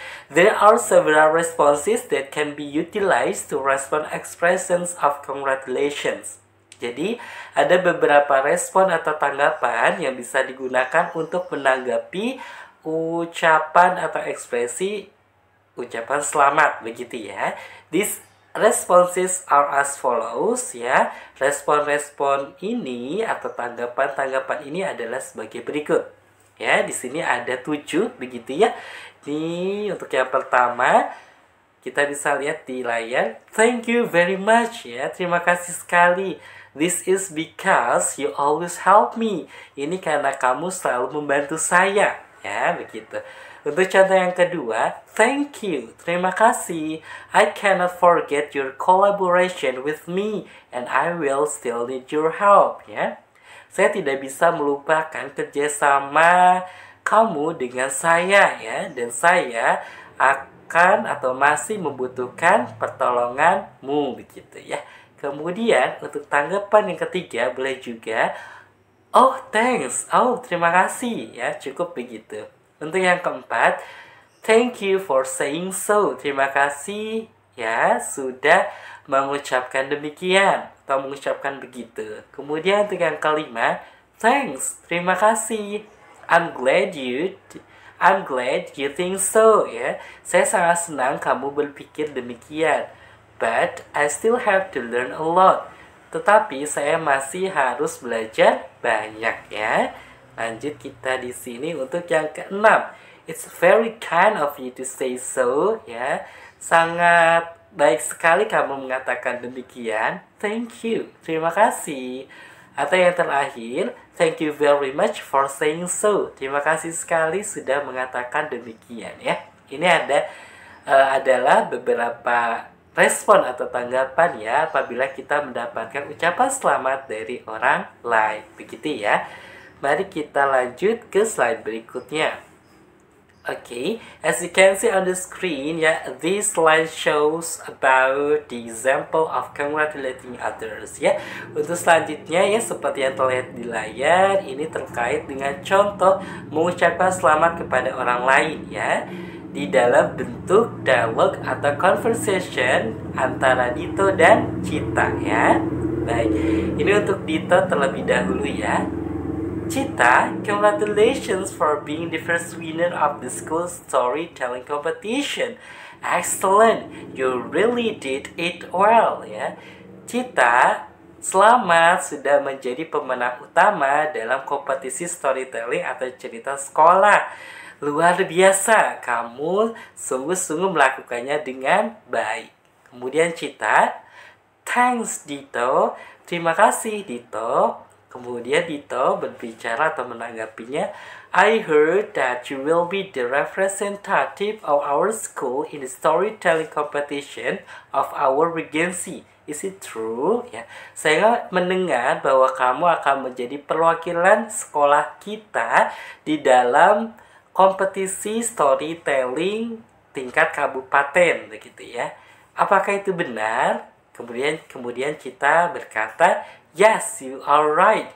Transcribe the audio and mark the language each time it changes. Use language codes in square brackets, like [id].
[en] There are several responses that can be utilized to respond expressions of congratulations. [id] Jadi, ada beberapa respon atau tanggapan yang bisa digunakan untuk menanggapi ucapan atau ekspresi ucapan selamat, begitu ya. [en] These responses are as follows, ya. [id] Respon-respon ini atau tanggapan-tanggapan ini adalah sebagai berikut. Ya, di sini ada 7, begitu ya. Ini untuk yang pertama, kita bisa lihat di layar. [en] Thank you very much, ya. [id] Terima kasih sekali. [en] This is because you always help me. [id] Ini karena kamu selalu membantu saya. Ya, begitu. Untuk contoh yang kedua, [en] thank you, [id] terima kasih. [en] I cannot forget your collaboration with me and I will still need your help. [id] Ya. Saya tidak bisa melupakan kerjasama kamu dengan saya, ya, dan saya akan atau masih membutuhkan pertolonganmu, begitu ya. Kemudian untuk tanggapan yang ketiga boleh juga, [en] oh thanks, [id] oh terima kasih, ya, cukup begitu. Untuk yang keempat, [en] thank you for saying so, [id] terima kasih, ya, sudah mengucapkan demikian atau mengucapkan begitu. Kemudian untuk yang kelima, [en] thanks, [id] terima kasih, [en] I'm glad you think so, [id] ya, saya sangat senang kamu berpikir demikian. [en] But I still have to learn a lot. [id] Tetapi saya masih harus belajar banyak, ya. Lanjut kita di sini untuk yang keenam. [en] It's very kind of you to say so, ya. [id] Sangat baik sekali kamu mengatakan demikian. [en] Thank you. [id] Terima kasih. Atau yang terakhir, [en] thank you very much for saying so. [id] Terima kasih sekali sudah mengatakan demikian, ya. Ini adalah beberapa respon atau tanggapan, ya, apabila kita mendapatkan ucapan selamat dari orang lain. Begitu ya. Mari kita lanjut ke slide berikutnya. Oke, okay. [en] As you can see on the screen, ya, this slide shows about the example of congratulating others, ya. [id] Untuk selanjutnya, ya, seperti yang terlihat di layar, ini terkait dengan contoh mengucapkan selamat kepada orang lain, ya. Di dalam bentuk dialog atau conversation antara Dito dan Cita, ya. Baik, ini untuk Dito terlebih dahulu, ya. [en] Cita, congratulations for being the first winner of the school storytelling competition. Excellent, you really did it well, ya. [id] Cita, selamat sudah menjadi pemenang utama dalam kompetisi storytelling atau cerita sekolah. Luar biasa, kamu sungguh-sungguh melakukannya dengan baik. Kemudian Cita, [en] thanks Dito, [id] terima kasih Dito. Kemudian Dito berbicara atau menanggapinya, [en] I heard that you will be the representative of our school in the storytelling competition of our regency. Is it true? Ya. [id] Saya mendengar bahwa kamu akan menjadi perwakilan sekolah kita di dalam kompetisi storytelling tingkat kabupaten, begitu ya. Apakah itu benar? Kemudian kita berkata, [en] yes, you are right.